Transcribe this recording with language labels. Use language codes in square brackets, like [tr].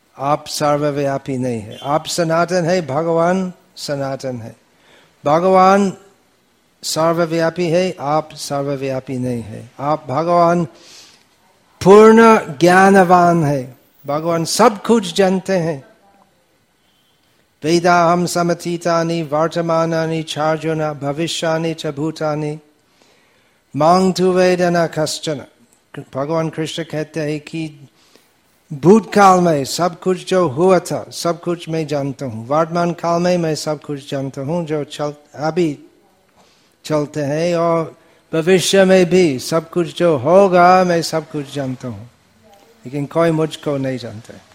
[hi] आप सर्वव्यापी नहीं है. आप सनातन है, भगवान सनातन है. भगवान सर्वव्यापी है, आप सर्वव्यापी नहीं है. आप भगवान पूर्ण ज्ञानवान है. भगवान सब कुछ जानते हैं. [sa] वेदाहम समतीतानि वर्तमानानि चार्जुन भविष्यानि च भूतानि मां तु वेदना कश्चन. [hi] भगवान कृष्ण कहते हैं कि भूतकाल में सब कुछ जो हुआ था, सब कुछ मैं जानता हूँ. वर्तमान काल में मैं सब कुछ जानता हूँ जो अभी चलते हैं, और भविष्य में भी सब कुछ जो होगा मैं सब कुछ जानता हूँ, लेकिन कोई मुझको नहीं जानते.